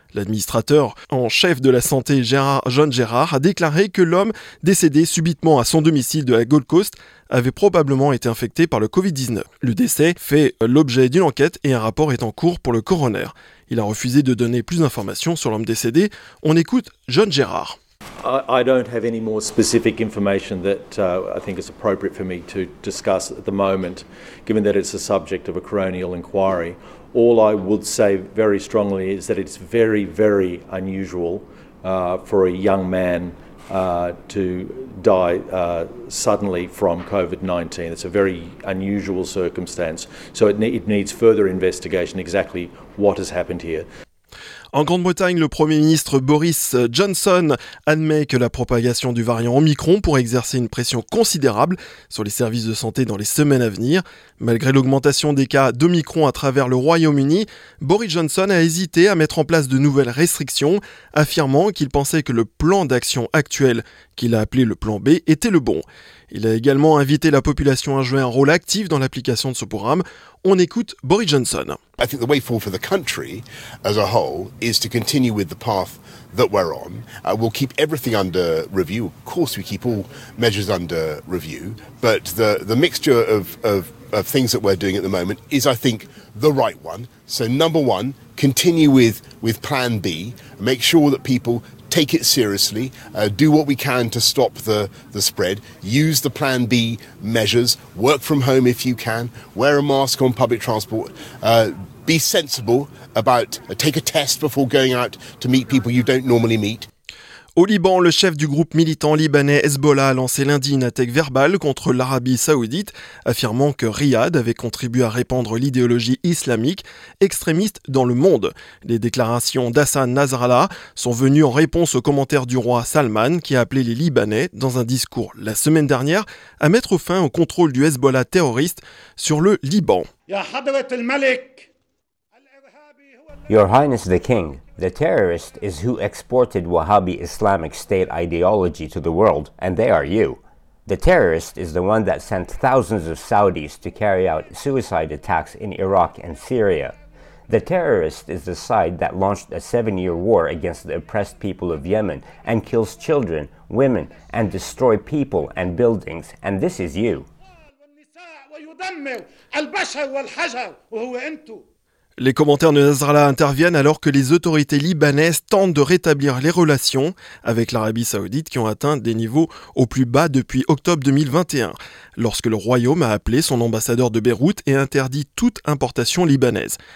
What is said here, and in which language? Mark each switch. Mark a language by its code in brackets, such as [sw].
[fr] L'administrateur en chef de la santé, John Gérard, a déclaré que l'homme décédé subitement à son domicile de la Gold Coast avait probablement été infecté par le Covid-19. Le décès fait l'objet d'une enquête et un rapport est en cours pour le coroner. Il a refusé de donner plus d'informations sur l'homme décédé. On écoute John Gérard. [en] I don't have any more specific information that I think is appropriate for me to discuss at the moment, given that it's a subject of a coronial inquiry. All I would say very strongly is that it's very, very unusual for a young man to die suddenly from COVID-19. It's a very unusual circumstance. So it needs further investigation exactly what has happened here. [fr] En Grande-Bretagne, le Premier ministre Boris Johnson admet que la propagation du variant Omicron pourrait exercer une pression considérable sur les services de santé dans les semaines à venir. Malgré l'augmentation des cas d'Omicron à travers le Royaume-Uni, Boris Johnson a hésité à mettre en place de nouvelles restrictions, affirmant qu'il pensait que le plan d'action actuel, qu'il a appelé le plan B, était le bon. Il a également invité la population à jouer un rôle actif dans l'application de ce programme. On écoute Boris Johnson. [en] I think the way forward for the country as a whole is to continue with the path that we're on. We'll keep everything under review. Of course, we keep all measures under review, but the mixture of things that we're doing at the moment is, I think, the right one. So number one, continue with plan B. Make sure that people take it seriously, do what we can to stop the spread, use the plan B measures, work from home if you can, wear a mask on public transport, be sensible about, take a test before going out to meet people you don't normally meet. [fr] Au Liban, le chef du groupe militant libanais Hezbollah a lancé lundi une attaque verbale contre l'Arabie saoudite, affirmant que Riyad avait contribué à répandre l'idéologie islamique extrémiste dans le monde. Les déclarations d'Hassan Nasrallah sont venues en réponse aux commentaires du roi Salman, qui a appelé les Libanais, dans un discours la semaine dernière, à mettre fin au contrôle du Hezbollah terroriste sur le Liban. [en] Your Highness the King, the terrorist is who exported Wahhabi Islamic State ideology to the world, and they are you. The terrorist is the one that sent thousands of Saudis to carry out suicide attacks in Iraq and Syria. The terrorist is the side that launched a seven-year war against the oppressed people of Yemen and kills children, women, and destroy people and buildings, and this is you. [fr] Les commentaires de Nasrallah interviennent alors que les autorités libanaises tentent de rétablir les relations avec l'Arabie saoudite qui ont atteint des niveaux au plus bas depuis octobre 2021, lorsque le royaume a appelé son ambassadeur de Beyrouth et interdit toute importation libanaise.